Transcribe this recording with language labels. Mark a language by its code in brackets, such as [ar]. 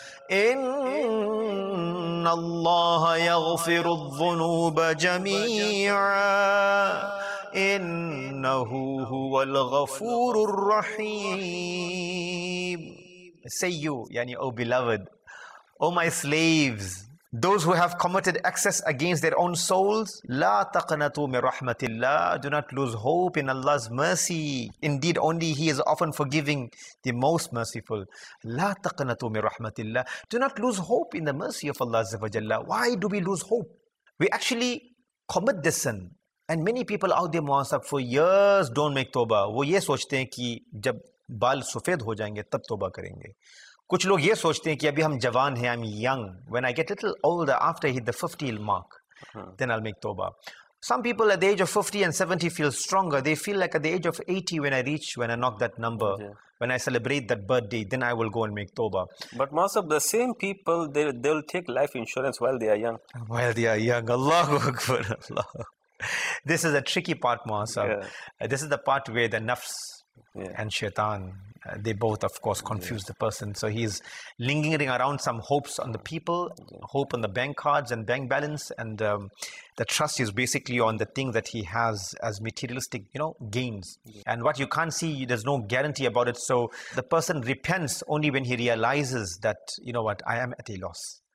[ar] إن الله يغفر الذنوب جميعا إنه هو الغفور الرحيم سيو يعني أو beloved. [en] O my slaves, those who have committed excess against their own souls, [ar] لا تقنطوا من رحمة الله. [en] Do not lose hope in Allah's mercy. Indeed, only He is often forgiving, the most merciful. [ar] لا تقنطوا من رحمة الله. [en] Do not lose hope in the mercy of Allah Azza wa Jalla. Why do we lose hope? We actually commit this sin. And many people out there, Mawasab, for years don't make tawbah. [hi] Wo ye sochte hain ki jab baal sufed ho jayenge, tab tawbah karenge. कुछ लोग ये सोचते हैं कि अभी हम जवान हैं, [en] I am young, when I get little older after hit the 50 mark then I will make तौबा. Some people at the age of 50 and 70 feel stronger, they feel like at the age of 80 when I knock that number, when I celebrate that birthday, then I will go and make तौबा. But most of the same people they will take life insurance while they are young. [ar] अल्लाह हू अकबर. [en] अल्लाह, this is a tricky part मोसब. This is the part where the नफ्स and शैतान, they both, of course, confuse the person. So he's lingering around some hopes on the people, hope on the bank cards and bank balance. And the trust is basically on the thing that he has as materialistic, you know, gains. And what you can't see, there's no guarantee about it. So the person repents only when he realizes that, you know what, I am at a loss.